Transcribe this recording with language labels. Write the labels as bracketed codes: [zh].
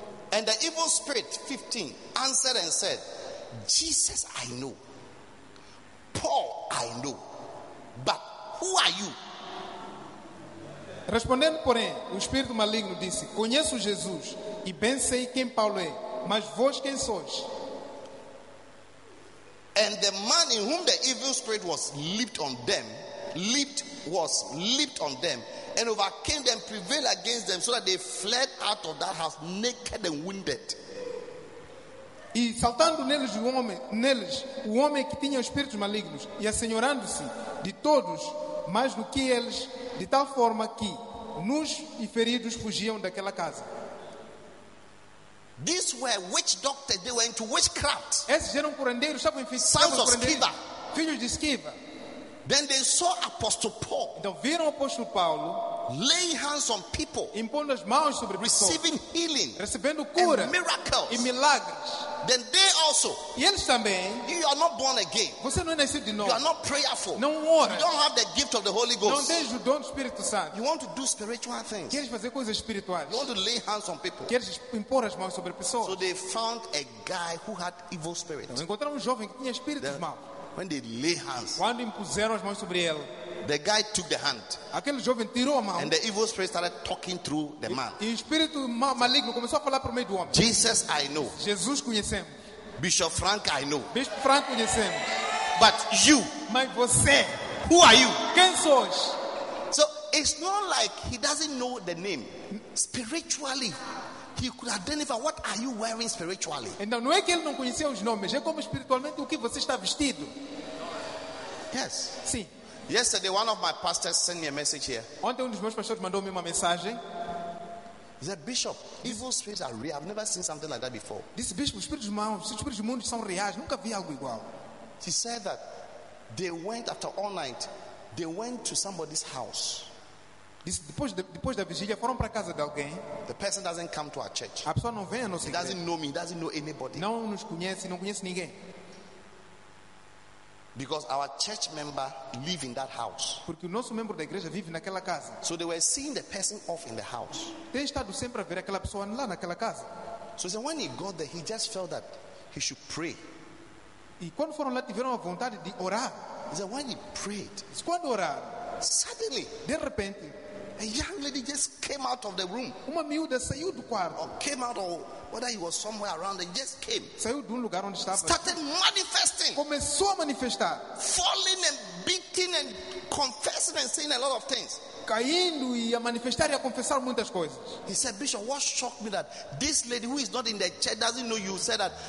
[en] And the evil spirit, 15, answered and said, "Jesus I know, Paul I know, but who are you?" [pt] Respondendo, porém, o espírito maligno disse: "Conheço Jesus e bem sei quem Paulo é, mas vós quem sois?" [en] And the man in whom the evil spirit was leaped on them leaped on them and overcame them, prevailed against them, so that they fled out of that house naked and wounded. [pt] E saltando neles o homem que tinha espíritos malignos e assenhorando-se de todos mais do que eles, de tal forma que nus e feridos fugiam daquela casa. [en] These were witch doctors. They were into witchcraft. [pt] Esses eram curandeiros, estavam infestados por curandeiros, filhos de Esquiva. [en] Then they saw Apostle Paul. [pt] Então viram o apóstolo Paulo [en] laying hands on people, [pt] impondo as mãos sobre [en] receiving [pt] pessoas, [en] healing, [pt] recebendo cura, [en] and miracles, [pt] e milagres. [en] Then they also, [pt] e eles também, [en] you are not born again. [pt] Você não é nascido de novo. [en] You are not prayerful. [pt] Não ora. [en] You don't have the gift of the Holy Ghost. [pt] Não tens o dom do Espírito Santo. [en] You want to do spiritual things. [pt] Queres fazer coisas espirituais. [en] You want to lay hands on people. [pt] Queres impor as mãos sobre pessoas. [en] So they found a guy who had evil spirit. [pt] Então, encontraram jovem que tinha espíritos maus. [en] When they lay hands, [pt] quando impuseram as mãos sobre ele. [en] The guy took the hand. [pt] Aquele jovem tirou a mão. [en] And the evil spirit started talking through the man. [pt] E o espírito maligno começou a falar por meio do homem. [en] Jesus, I know. [pt] Jesus conhecemos. [en] Bishop Frank, I know. [pt] Bishop Frank conhecemos. [en] But you. [pt] Mas você. [en] Who are you? [pt] Quem sois? [en] So it's not like he doesn't know the name. Spiritually, he could identify what are you wearing spiritually. [pt] Então não é que ele não conhecia os nomes, é como espiritualmente o que você está vestido. [en] Yes. [pt] Sim. [en] Yesterday, one of my pastors sent me a message here. [pt] Ontem um dos meus pastores mandou-me uma mensagem. [en] He said, Bishop, evil spirits are real. I've never seen something like that before. [pt] Disse, bispo, espíritos maus, espíritos do mundo são reais. Nunca vi algo igual. [en] He said that they went after all night. They went to somebody's house. [pt] Disse, depois da vigília, foram para a casa de alguém. [en] The person doesn't come to our church. [pt] A pessoa não vem à nossa igreja. [en] He doesn't know me. He doesn't know anybody. [pt] Não nos conhece. Não conhece ninguém. [en] Because our church member live in that house. [pt] Porque o nosso membro da igreja vive naquela casa. [en] So they were seeing the person off in the house. [pt] Tem estado sempre a ver aquela pessoa lá naquela casa. [en] So he said, when he got there, he just felt that he should pray. [pt] E quando foram lá tiveram a vontade de orar. [en] He said, when he prayed, [pt] quando orar, [en] suddenly, [pt] de repente, [en] a young lady just came out of the room. [pt] Uma miúda saiu do quarto. [en] Or came out of, whether he was somewhere around, they just came. [pt] Saiu de lugar onde estava. [en] Started manifesting. [pt] Começou a manifestar. [en] Falling and beating and confessing and saying a lot of things. [pt] Caindo e a manifestar e a confessar muitas coisas. [en] He said, Bishop, what shocked me that this lady who is not in the church doesn't know you said that.